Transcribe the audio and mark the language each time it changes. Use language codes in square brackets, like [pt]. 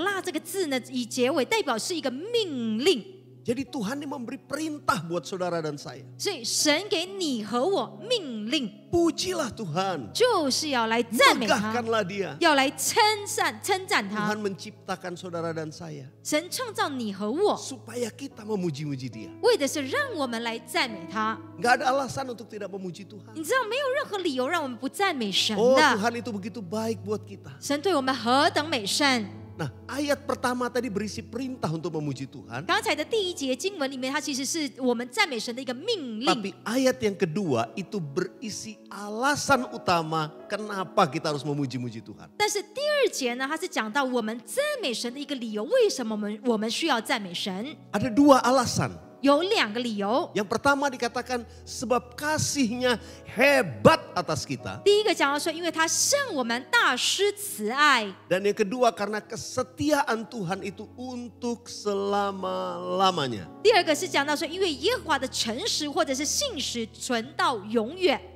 [zh] 你知道在印尼文当中如果有讲到"啦"这个字呢，以结尾代表是一个命令。 [id] Jadi Tuhan ini memberi perintah buat saudara dan saya. [zh] 所以神给你和我命令. [id] Pujilah Tuhan. [zh] 就是要来赞美他. [id] Megahkanlah dia. [zh] 要来称赞他. [id] Tuhan menciptakan saudara dan saya. [zh] 神创造你和我. [id] Supaya kita memuji-muji dia. [zh] 为的是让我们来赞美他. [id] Gak ada alasan untuk tidak memuji Tuhan. [zh] 你知道没有任何理由让我们不赞美神的. [id] Oh Tuhan itu begitu baik buat kita. [zh] 神对我们何等美善. [id] Nah, ayat pertama tadi berisi perintah untuk memuji Tuhan. [zh] 刚才的第一节经文里面, 它其实是我们赞美神的一个命令. [id] Tapi ayat yang kedua itu berisi alasan utama kenapa kita harus memuji-muji Tuhan. [zh] 但是第二节呢, 它是讲到我们赞美神的一个理由, 为什么我们需要赞美神. [id] Ada 2 alasan. [zh] 有两个理由. [id] Yang pertama dikatakan sebab kasihnya hebat atas kita. [zh] 第一个讲到说, 因为他向我们大施慈爱. [id] Dan yang kedua karena kesetiaan Tuhan itu untuk selama-lamanya. [zh] 第二个是讲到说, 因为耶和华的诚实或者是信实存到永远.